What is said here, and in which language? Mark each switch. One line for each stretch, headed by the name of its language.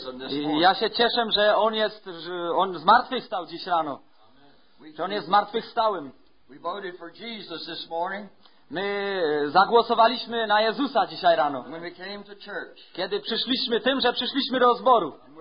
Polish: I ja się cieszę, że On jest, że On zmartwychwstał dziś rano. Że On jest zmartwychwstałym.
English: We voted for Jesus this morning.
Polish: My zagłosowaliśmy na Jezusa dzisiaj rano.
English: When we came to church,
Polish: kiedy przyszliśmy, tym, że przyszliśmy do zboru.